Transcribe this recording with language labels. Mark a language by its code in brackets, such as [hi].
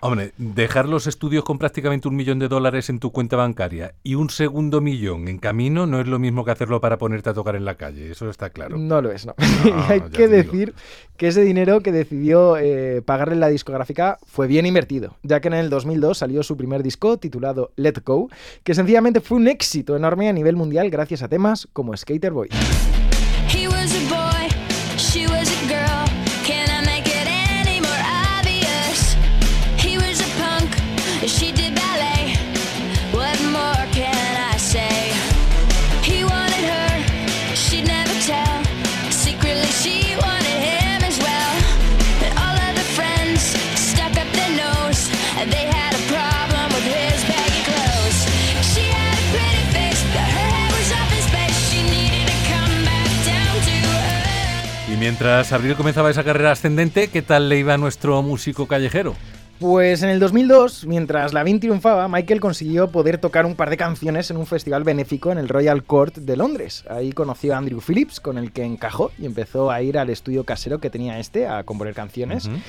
[es] Hombre, dejar los estudios con prácticamente $1.000.000 en tu cuenta bancaria y un segundo millón en camino no es lo mismo que hacerlo para ponerte a tocar en la calle, eso está claro. No lo es, no. Y hay que decir que ese dinero que decidió pagarle la discográfica fue bien invertido, ya que en el 2002 salió su primer disco titulado Let Go, que sencillamente fue un éxito enorme a nivel mundial gracias a temas como Skater Boy. [en] He was a boy, she was a girl. Can I make it any more obvious? He was a punk, she did ballet. What more can I say? He wanted her, she'd never tell. Secretly she wanted him as well. But all of the friends stuck up their nose. They had a problem with his baggy clothes. She had a pretty face, but her head was up in space. She needed to come back down to earth. [es] Y mientras Avril comenzaba esa carrera ascendente, ¿qué tal le iba a nuestro músico callejero? Pues en el 2002, mientras Lavigne triunfaba, Michael consiguió poder tocar un par de canciones en un festival benéfico en el Royal Court de Londres. Ahí conoció a Andrew Phillips, con el que encajó y empezó a ir al estudio casero que tenía este a componer canciones.